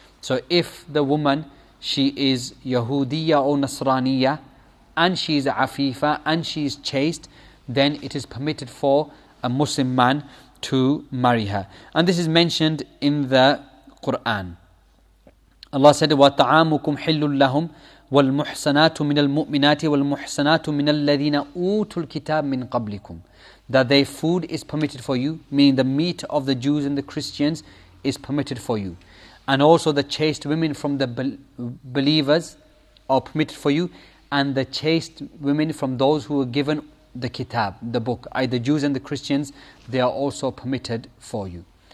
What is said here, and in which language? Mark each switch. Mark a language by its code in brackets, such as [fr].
[en] So if the woman, she is Yahudiya or Nasraniya, and she is Afifa and she is chaste, then it is permitted for a Muslim man to marry her. And this is mentioned in the Quran. Allah said, [ar] وَطَعَامُكُمْ حِلٌّ لَهُمْ وَالْمُحْسَنَاتُ مِنَ الْمُؤْمِنَاتِ وَالْمُحْسَنَاتُ مِنَ الَّذِينَ أُوتُوا الْكِتَابِ مِنْ قَبْلِكُمْ. [en] That their food is permitted for you, meaning the meat of the Jews and the Christians is permitted for you. And also the chaste women from the believers are permitted for you, and the chaste women from those who were given the Kitab, the book, either Jews and the Christians, they are also permitted for you.